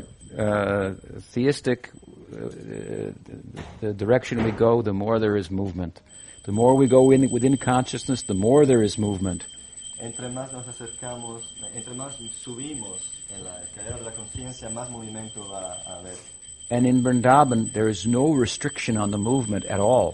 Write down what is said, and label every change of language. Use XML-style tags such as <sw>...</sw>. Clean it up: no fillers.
<en>The more theistic the direction we go, the more there is movement. The more we go in within consciousness, the more there is movement.</en> <es>Entre más nos acercamos, entre más subimos en la escalera de la conciencia, más movimiento va a haber.</es> <en>And in Vrindavan, there is no restriction on the movement at all.</en>